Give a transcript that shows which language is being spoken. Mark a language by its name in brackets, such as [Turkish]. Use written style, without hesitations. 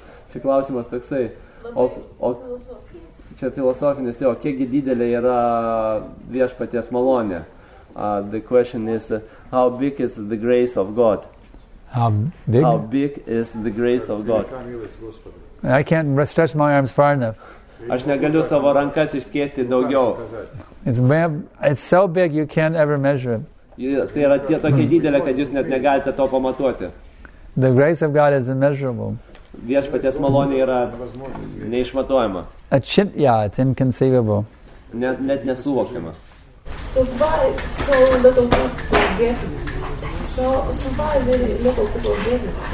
[Lithuanian] Čia klausimas toksai, o čia filosofinis, jo, kiekgi didelė yra Viešpaties malonė. [English] The question is, how big is the grace of God? How big is the grace of God? I can't stretch my arms far enough. [Lithuanian] Aš negaliu savo rankas išskėsti daugiau. [English] It's so big you can't ever measure it. [Lithuanian] Tai yra tie tokie didelė, kad jūs net negalite to pamatuoti. [English] The grace of God is immeasurable. [Lithuanian] Viešpaties malonė yra neišmatuojama. [English] It's inconceivable. [Lithuanian] Net nesuvokiama. [English] So why so little people get it? So why very little people get it?